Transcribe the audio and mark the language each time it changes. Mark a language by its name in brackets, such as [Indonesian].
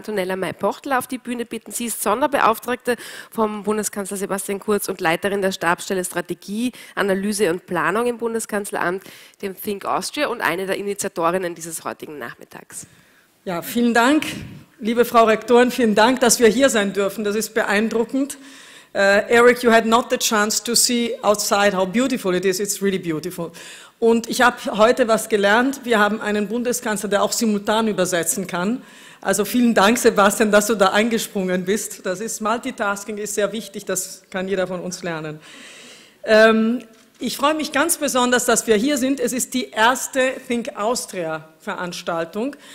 [German] Antonella May-Pochtl auf die Bühne bitten. Sie ist Sonderbeauftragte vom Bundeskanzler Sebastian Kurz und Leiterin der Stabsstelle Strategie, Analyse und Planung im Bundeskanzleramt, dem Think Austria, und eine der Initiatorinnen dieses heutigen Nachmittags. Ja, vielen Dank, liebe Frau Rektorin, vielen Dank, dass wir hier sein dürfen. Das ist beeindruckend. [English] Eric, you had not the chance to see outside how beautiful it is. It's really beautiful. [German] Und ich habe heute was gelernt. Wir haben einen Bundeskanzler, der auch simultan übersetzen kann. Also vielen Dank, Sebastian, dass du da eingesprungen bist. Das ist Multitasking ist sehr wichtig. Das kann jeder von uns lernen. Ich freue mich ganz besonders, dass wir hier sind. Es ist die erste Think Austria Veranstaltung.